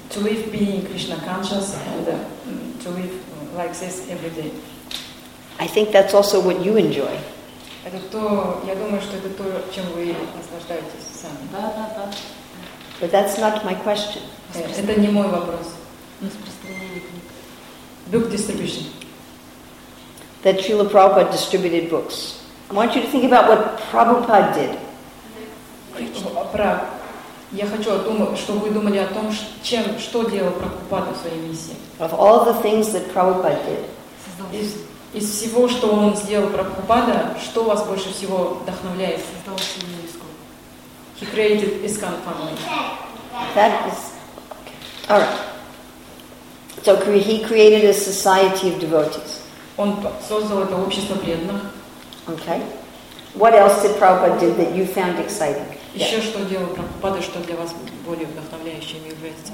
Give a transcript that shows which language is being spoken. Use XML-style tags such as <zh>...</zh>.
<en>to live being Krishna conscious, and to live like this every day. I think that's also what you enjoy.</en> <ru>Это то, я думаю, что это то, чем вы наслаждаетесь сами. Да, да, да.</ru> <en>But that's not my question.</en> <ru>Это не мой вопрос. Распространение книг.</ru> <en>Book distribution. That Srila Prabhupada distributed books. I want you to think about what Prabhupada did.</en> <ru>Я хочу о том, чтобы вы думали о том, что делал Прабхупада в своей миссии.</ru> <en>Of all the things that Prabhupada did.</en> <ru>Из всего, что он сделал Прабхупада, что вас больше всего вдохновляет? Создал семью ИСКОН.</ru> <en>He created ISKCON family. That is okay. All right. So he created a society of devotees.</en> <ru>Он создал это общество преданных.</ru> <en>Okay. What else did Prabhupada do that you found exciting?</en> <ru>Еще что делал Прабхупада, что для вас более вдохновляющим является?</ru>